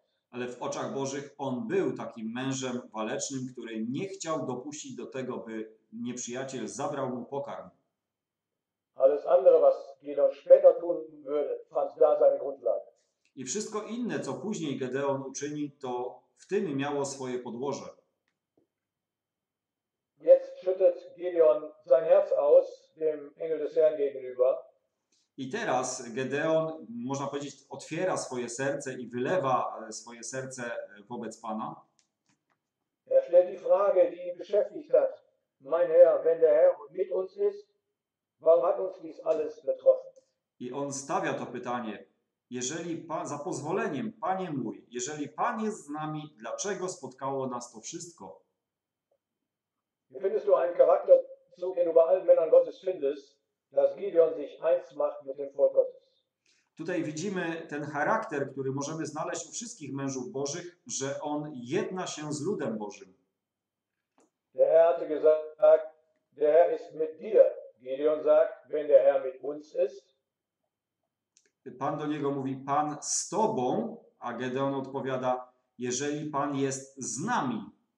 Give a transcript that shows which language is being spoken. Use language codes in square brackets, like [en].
[pl] Ale w oczach Bożych on był takim mężem walecznym, który nie chciał dopuścić do tego, by nieprzyjaciel zabrał mu pokarm. [de] Alles andere, was Gideon später tun würde, fand da seine Grundlage. [pl] I wszystko inne, co później Gedeon uczyni, to w tym miało swoje podłoże. [de] Jetzt schüttet Gideon sein Herz aus dem Engel des Herrn gegenüber. [pl] I teraz Gedeon, można powiedzieć, otwiera swoje serce i wylewa swoje serce wobec Pana. [de] Er stellt die Frage, die ihn beschäftigt hat: Mein Herr, wenn der Herr mit uns ist, warum hat uns dies alles betroffen? [pl] I on stawia to pytanie: jeżeli Pan, za pozwoleniem, Panie mój, jeżeli Pan jest z nami, dlaczego spotkało nas to wszystko? [de] Wie findest du einen Charakterzug, den du bei allen Männern Gottes findest, dass Gideon sich eins macht mit dem Volk Gottes? [pl] Tutaj widzimy ten charakter, który możemy znaleźć u wszystkich mężów Bożych, że on jedna się z ludem Bożym. [de] Der Herr hatte gesagt, der Herr ist mit dir. Gideon sagt, wenn der Herr mit uns ist. [pl] Pan do niego mówi: Pan z tobą, a Gedeon odpowiada: jeżeli Pan jest z nami.